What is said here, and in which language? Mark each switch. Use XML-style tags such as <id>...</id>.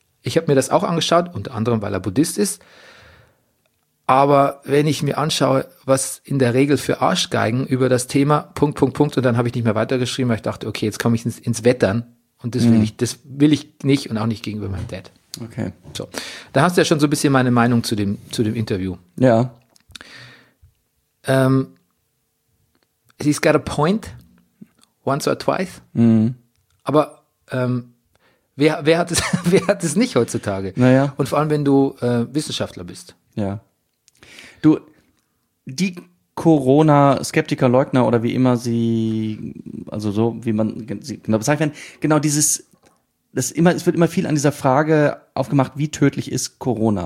<de>Ich habe mir das auch angeschaut, unter anderem, weil er Buddhist ist. Aber wenn ich mir anschaue, was in der Regel für Arschgeigen über das Thema ... und dann habe ich nicht mehr weitergeschrieben, weil ich dachte, okay, jetzt komme ich ins Wettern und das will ich nicht und auch nicht gegenüber meinem Dad. Okay. So, da hast du ja schon so ein bisschen meine Meinung zu dem Interview. Ja.</de> <en>He's got a point, once or twice.</en> <de>Aber wer hat es nicht heutzutage? Naja. Und vor allem, wenn du Wissenschaftler bist. Ja. Du, die Corona-Skeptiker-Leugner oder wie immer sie, also so, wie man sie genau bezeichnet werden, genau dieses, das immer, es wird immer viel an dieser Frage aufgemacht, wie tödlich ist Corona?</de>